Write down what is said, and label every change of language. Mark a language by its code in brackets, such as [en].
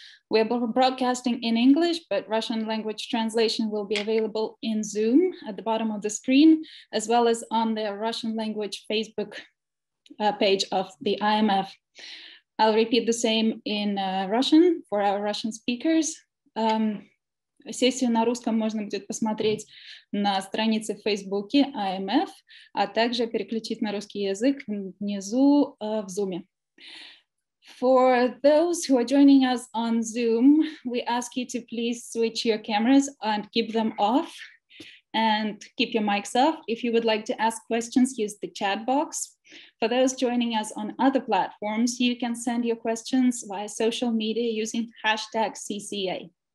[en] We're broadcasting in English, but Russian language translation will be available in Zoom at the bottom of the screen, as well as on the Russian language Facebook page of the IMF. I'll repeat the same in Russian for our Russian speakers. [ru] Сессию на русском можно будет посмотреть на странице в Фейсбуке IMF, а также переключить на русский язык внизу в Zoom. [en] For those who are joining us on Zoom, we ask you to please switch your cameras and keep them off and keep your mics off. If you would like to ask questions, use the chat box. For those joining us on other platforms, you can send your questions via social media using hashtag CCA.